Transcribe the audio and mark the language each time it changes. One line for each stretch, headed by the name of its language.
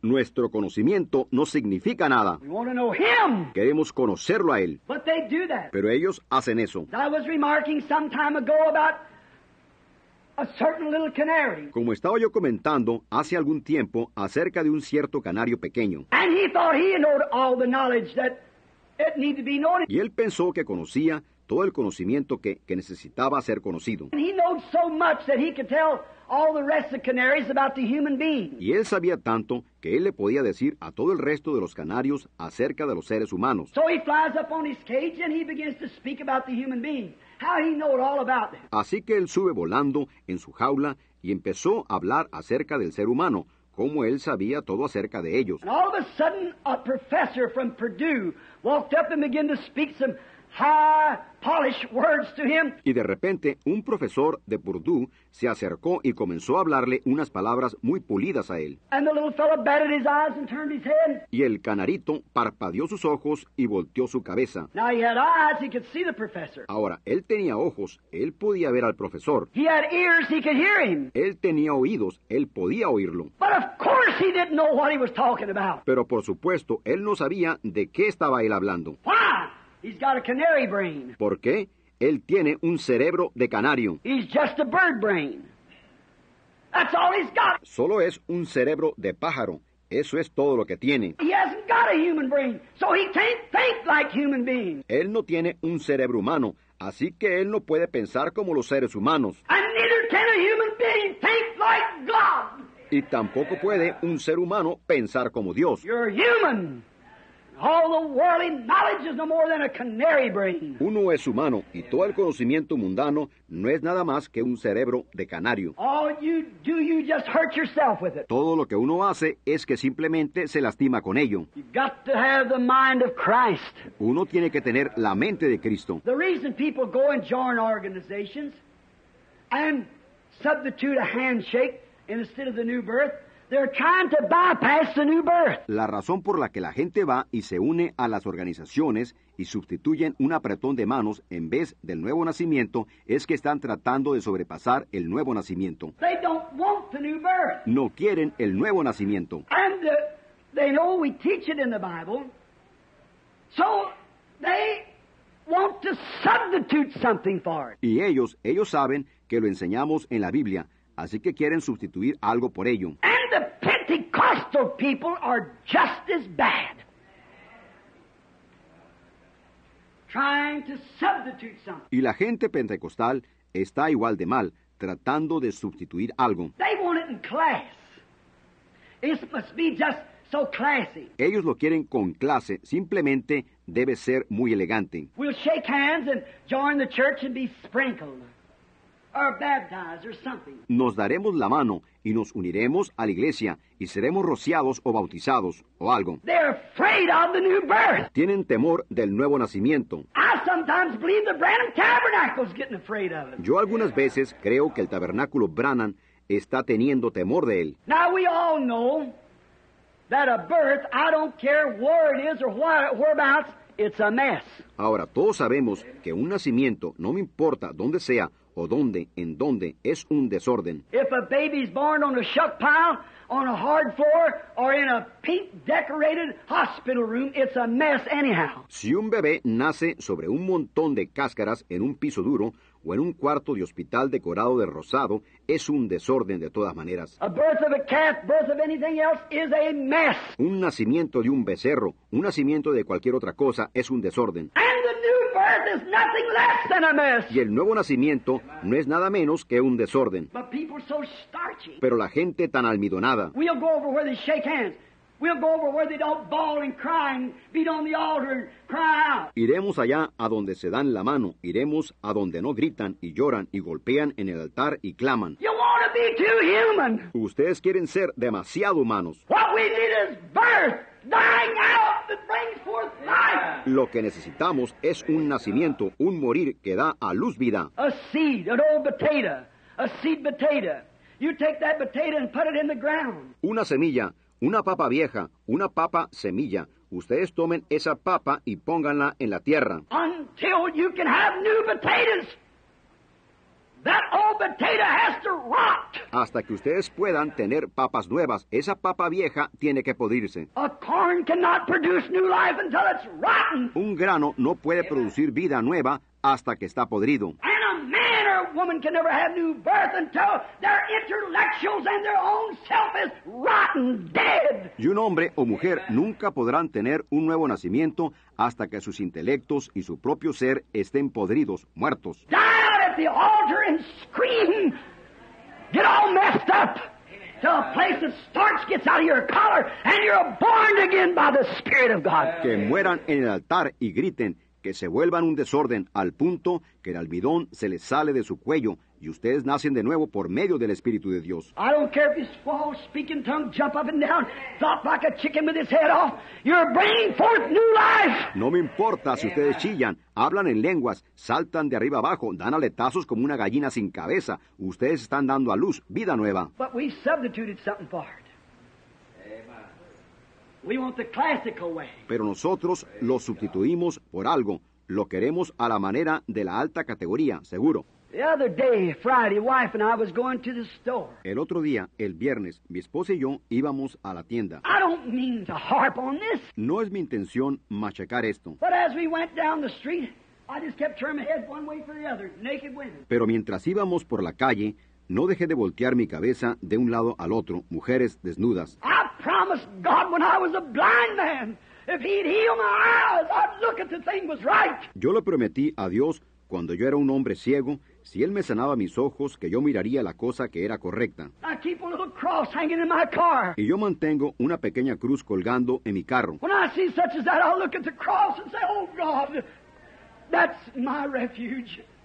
Spanish: Nuestro conocimiento no significa nada.
English: We want to know him.
Spanish: Queremos conocerlo a él.
English: But they do that.
Spanish: Pero ellos hacen eso.
English: I was remarking some time ago about a certain little canary.
Spanish: Como estaba yo comentando hace algún tiempo acerca de un cierto canario pequeño.
English: And he thought he knew all the knowledge that it needed to be known.
Spanish: Y él pensó que conocía todo el conocimiento que necesitaba ser conocido.
English: And he knew so much that he could tell all the rest of canaries about the human being.
Spanish: Y él sabía tanto que él le podía decir a todo el resto de los canarios acerca de los seres humanos.
English: So he flies up on his cage and he begins to speak about the human being. How he knew it all about them.
Spanish: Así que él sube volando en su jaula y empezó a hablar acerca del ser humano, cómo él sabía todo acerca de ellos.
English: And all of a sudden, a professor from Purdue walked up and began to speak some high, polished words to him.
Spanish: Y de repente, un profesor de Purdue se acercó y comenzó a hablarle unas palabras muy pulidas a él.
English: And the little fellow batted his eyes and turned his head.
Spanish: Y el canarito parpadeó sus ojos y volteó su cabeza.
English: Now he had eyes, he could see the professor.
Spanish: Ahora, él tenía ojos, él podía ver al profesor.
English: He had ears, he could hear him.
Spanish: Él tenía oídos, él podía oírlo.
English: But of course he didn't know what he was talking about.
Spanish: Pero por supuesto, él no sabía de qué estaba él hablando.
English: Why? He's got a canary brain.
Spanish: ¿Por qué? Él tiene un cerebro de canario.
English: He's just a bird brain. That's all he's got.
Spanish: Solo es un cerebro de pájaro. Eso es todo lo que tiene.
English: He hasn't got a human brain, so he can't think like human beings.
Spanish: Él no tiene un cerebro humano, así que él no puede pensar como los seres humanos.
English: And neither can a human being think like God.
Spanish: Y tampoco puede un ser humano pensar como Dios.
English: You're human. All the worldly knowledge is no more than a canary brain.
Spanish: Uno es humano, y todo el conocimiento mundano no es nada más que un cerebro de canario.
English: All you do, you just hurt yourself with it.
Spanish: Todo lo que uno hace es que simplemente se lastima con ello.
English: You've got to have the mind of Christ.
Spanish: Uno tiene que tener la mente de Cristo.
English: The reason people go and join organizations and substitute a handshake instead of the new birth, They're trying to bypass the new birth.
Spanish: La razón por la que la gente va y se une a las organizaciones y sustituyen un apretón de manos en vez del nuevo nacimiento es que están tratando de sobrepasar el nuevo nacimiento.
English: They don't want the new birth.
Spanish: No quieren el nuevo nacimiento.
English: And they know we teach it in the Bible. So they want to substitute something for it.
Spanish: Y ellos saben que lo enseñamos en la Biblia, así que quieren sustituir algo por ello.
English: And the Pentecostal people are just as bad. Trying to substitute something.
Spanish: Y la gente pentecostal está igual de mal, tratando de sustituir algo.
English: They want it in class. It must be just so classy.
Spanish: Ellos lo quieren con clase, simplemente debe ser muy elegante.
English: We'll shake hands and join the church and be sprinkled. Or baptized or something.
Spanish: Nos daremos la mano y nos uniremos a la iglesia y seremos rociados o bautizados o algo.
English: They're afraid of the new birth.
Spanish: Tienen temor del nuevo nacimiento.
English: I sometimes believe the Branham Tabernacle's getting afraid of it.
Spanish: Yo algunas veces creo que el tabernáculo Branham está teniendo temor de él.
English: Now we all know that a birth, I don't care where it is or whereabouts, it's a mess.
Spanish: Ahora todos sabemos que un nacimiento, no me importa dónde sea, o dónde, en dónde, es un desorden.
English: If a baby's born on a shuck pile, on a hard floor, or in a pink decorated hospital room, it's a mess anyhow.
Spanish: Si un bebé nace sobre un montón de cáscaras en un piso duro, o en un cuarto de hospital decorado de rosado, es un desorden de todas maneras.
English: A birth of a calf, birth of anything else, is a mess.
Spanish: Un nacimiento de un becerro, un nacimiento de cualquier otra cosa, es un desorden.
English: And the new birth is nothing less than a mess.
Spanish: Y el nuevo nacimiento no es nada menos que un desorden.
English: But people so starchy.
Spanish: Pero la gente tan almidonada.
English: We'll go over where they shake hands. We'll go over where they don't bawl and cry and beat on the altar and cry out.
Spanish: Iremos allá a donde se dan la mano. Iremos a donde no gritan y lloran y golpean en el altar y claman.
English: You want to be too human.
Spanish: Ustedes quieren ser demasiado humanos.
English: What we need is birth, dying out that brings forth life.
Spanish: Lo que necesitamos es un nacimiento, un morir que da a luz vida.
English: A seed, an old potato, a seed potato. You take that potato and put it in the ground.
Spanish: Una semilla. Una papa vieja, una papa semilla. Ustedes tomen esa papa y pónganla en la tierra.
English: Until you can have new potatoes, that old potato has to rot.
Spanish: Hasta que ustedes puedan tener papas nuevas, esa papa vieja tiene que podrirse.
English: A corn cannot produce new life until it's rotten.
Spanish: Un grano no puede producir vida nueva hasta que está podrido.
English: Woman can never have new birth until their intellectuals and their own self is rotten dead.
Spanish: Y un hombre o mujer nunca podrán tener un nuevo nacimiento hasta que sus intelectos y su propio ser estén podridos, muertos.
English: Die out at the altar and scream, get all messed up to a place that starch gets out of your collar and you're born again by the Spirit of God.
Spanish: Que mueran en el altar y griten, que se vuelvan un desorden al punto que el almidón se les sale de su cuello y ustedes nacen de nuevo por medio del Espíritu de Dios.
English: I don't care if you squall, speak in tongue, jump up and down, thought like a chicken with his head off, you're bringing forth new life.
Spanish: No me importa si ustedes chillan, hablan en lenguas, saltan de arriba abajo, dan aletazos como una gallina sin cabeza. Ustedes están dando a luz vida nueva.
English: But we substituted something for it. We want the classical way.
Spanish: Pero nosotros lo sustituimos por algo. Lo queremos a la manera de la alta categoría, seguro.
English: The other day, Friday, wife and I was going to the store.
Spanish: El otro día, el viernes, mi esposa y yo íbamos a la tienda.
English: I don't mean to harp on this.
Spanish: No es mi intención machacar esto.
English: But as we went down the street, I just kept turning my head one way for the other, naked women.
Spanish: Pero mientras íbamos por la calle, no dejé de voltear mi cabeza de un lado al otro, mujeres desnudas.
English: Promised God when I was a blind man, if he'd heal my eyes, I'd look at the thing was right.
Spanish: Yo le prometí a Dios cuando yo era un hombre ciego, si él me sanaba mis ojos, que yo miraría la cosa que era correcta.
English: I keep a little cross hanging in my car.
Spanish: Y yo mantengo una pequeña cruz colgando en mi carro.
English: When I see such as that, I'll look at the cross and say, oh God, that's my refuge.